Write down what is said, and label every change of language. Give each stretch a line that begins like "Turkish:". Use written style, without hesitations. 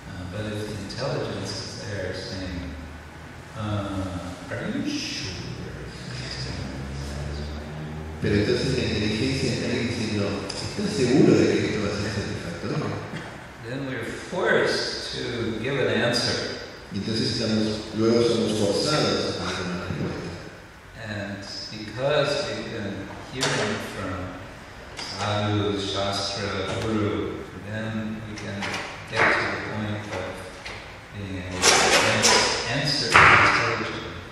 English: But if the intelligence is there saying, are you sure?
Spanish: Pero entonces la inteligencia está diciendo, ¿estás seguro de que esto va a ser satisfactorio?
English: Then we're forced to give an answer.
Spanish: Y entonces luego somos forzados a dar una respuesta.
English: And because we've been hearing from sadhu, shastra, guru, then we can get to the point of being able to answer the intelligence.